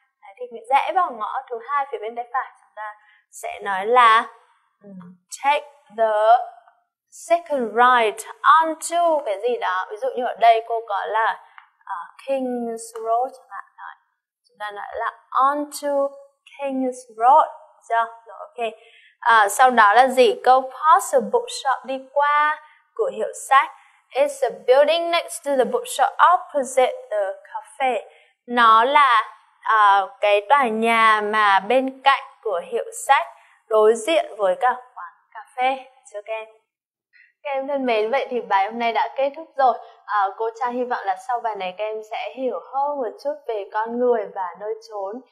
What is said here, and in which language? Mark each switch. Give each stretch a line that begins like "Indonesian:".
Vietnamese: Đấy, thì rẽ vào ngõ thứ hai phía bên tay phải, chúng ta sẽ nói là
English: take the second right onto
Vietnamese: cái gì đó. Ví dụ như ở đây cô có là King's Road chẳng hạn. Đấy, chúng ta nói là
English: onto King's Road.
Vietnamese: Rồi, ok. Sau đó là gì? Câu
English: pass the bookshop
Vietnamese: đi qua cửa hiệu sách.
English: It's a building next to the bookshop opposite the cafe.
Vietnamese: Nó là cái tòa nhà mà bên cạnh cửa hiệu sách, đối diện với cả quán cà phê. Chưa kem? Các em thân mến, vậy thì bài hôm nay đã kết thúc rồi. Cô Trang hy vọng là sau bài này các em sẽ hiểu hơn một chút về con người và nơi chốn.